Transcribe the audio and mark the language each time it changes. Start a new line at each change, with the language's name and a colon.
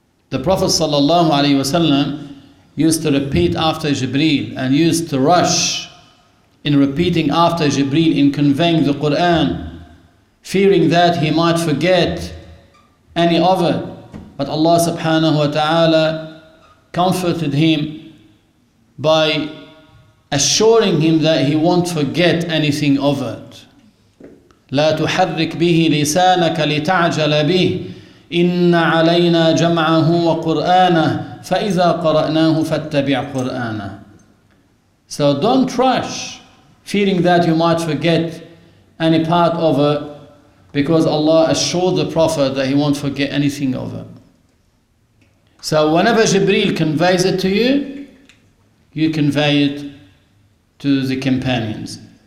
English: The Prophet sallallahu alayhi wa sallam used to repeat after Jibreel and used to rush in repeating after Jibreel in conveying the Quran, fearing that he might forget any of it. But Allah subhanahu wa ta'ala comforted him by assuring him that he won't forget anything of it.
Arabic: لا تحرك به لسانك لتعجل به إن علينا جمعه وقرآنه فإذا قرأناه فاتبع قرآنه.
English: So don't rush, fearing that you might forget any part of it, because Allah assured the Prophet that he won't forget anything of it. So whenever Jibreel conveys it to you, you convey it to the companions.